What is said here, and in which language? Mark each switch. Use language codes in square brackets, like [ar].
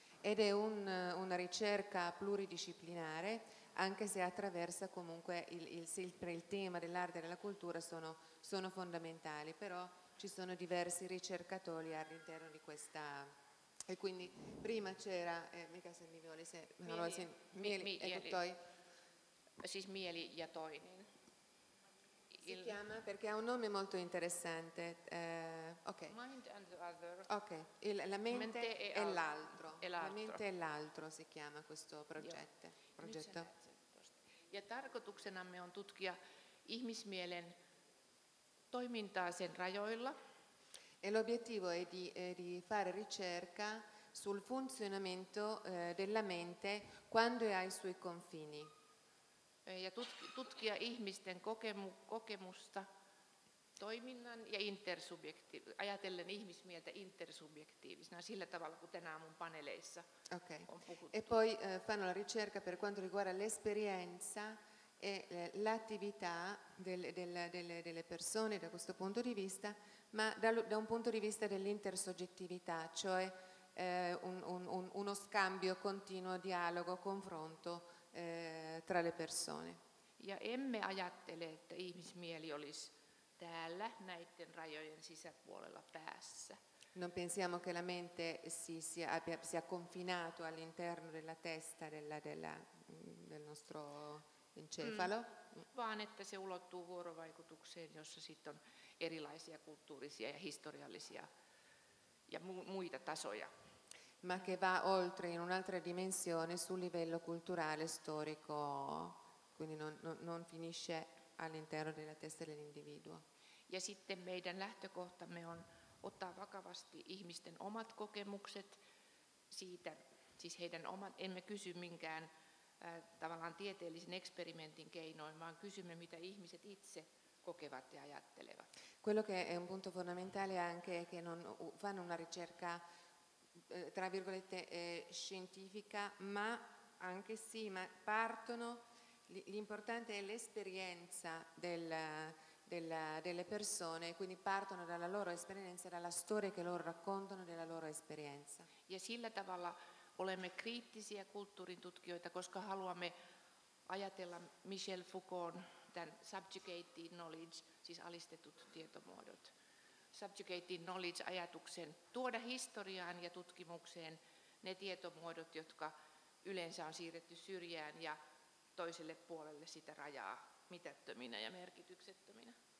[it] Ed è una ricerca pluridisciplinare, anche se attraversa comunque il tema dell'arte e della cultura sono fondamentali, però ci sono diversi ricercatori all'interno di questa. E quindi prima c'era, mica se mi vuole, se non lo sento, mieli e toi. [fi] Siis mieli ja toinen. [it] si chiama? Perché ha un nome molto interessante. Okay. [en] Mind and other. [it] Okay. La mente e l'altro. L'altro. La mente e l'altro si chiama questo progetto. Progetto. [fi] Ja tarkoituksenamme on tutkia ihmismielen toimintaa sen rajoilla. [it] E l'obiettivo è di fare ricerca sul funzionamento della mente quando è ai suoi confini. [fi] Ja tutkia ihmisten kokemusta toiminnan ja ajatellen ihmismieltä intersubjektiivisena sillä tavalla kuin tänä aamun paneleissa okay. on puhuttu. [it] E poi fanno la ricerca per quanto riguarda l'esperienza e l'attività delle persone da questo punto di vista, ma da un punto di vista dell'intersoggettività, cioè uno scambio continuo, dialogo, confronto tra le persone. [fi] Ja emme ajattele, että ihmismieli olisi täällä näiden rajojen sisäpuolella päässä. [it] Non pensiamo che la mente sia confinato all'interno della testa del nostro encefalo. [fi] Vaan että se ulottuu vuorovaikutukseen, jossa sitten on erilaisia kulttuurisia ja historiallisia ja muita tasoja. [it] Ma che va oltre in un'altra dimensione sul livello culturale, storico, quindi non finisce all'interno della testa dell'individuo. [fi] Ja sitten meidän lähtökohtamme on ottaa vakavasti ihmisten omat kokemukset siitä, siis heidän omat, emme kysy minkään tavallaan tieteellisen eksperimentin keinoin, vaan kysymme, mitä ihmiset itse kokevat ja ajattelevat. [it] Quello che è un punto fondamentale anche è che non fanno una ricerca tra virgolette scientifica, ma anche sì, ma partono, l'importante è l'esperienza delle persone, quindi partono dalla loro esperienza, dalla storia che loro raccontano della loro esperienza. [fi] Ja sillä tavalla olemme kriittisiä kulttuurin tutkijoita, koska haluamme ajatella Michel Foucault, tämän subjugated knowledge, siis alistetut tietomuodot. Subjugated knowledge ajatuksen tuoda historiaan ja tutkimukseen ne tietomuodot, jotka yleensä on siirretty syrjään ja toiselle puolelle sitä rajaa mitättöminä ja merkityksettöminä.